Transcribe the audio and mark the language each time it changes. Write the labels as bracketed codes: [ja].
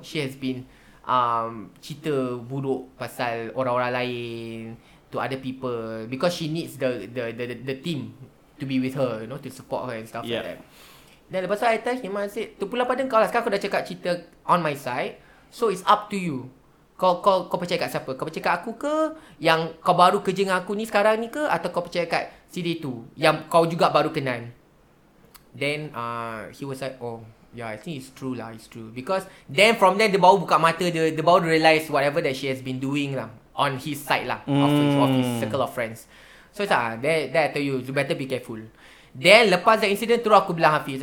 [en] She has been [ms] cerita buruk pasal orang-orang lain [en] to other people because she needs the team to be with her, you know, to support her and stuff yeah. like that. Then [ms] lepas tu [en] I tell him, I said, [ms] tu pula pada kau lah. Sekarang aku dah cakap cerita [en] on my side, so it's up to you. [ms] Kau percaya kat siapa? Kau percaya kat aku ke yang kau baru kerja dengan aku ni sekarang ni ke, atau kau percaya kat CD tu yang kau juga baru kenal? [en] Then he was like, oh yeah, I think it's true lah, it's true. Because then from there [ms] dia baru buka mata, dia baru [en] realise whatever that she has been doing lah on his side lah, of his circle of friends. So it's like, then I tell you, you better be careful. Then lepas that incident, [ms] terus aku bilang [en] Hafiz.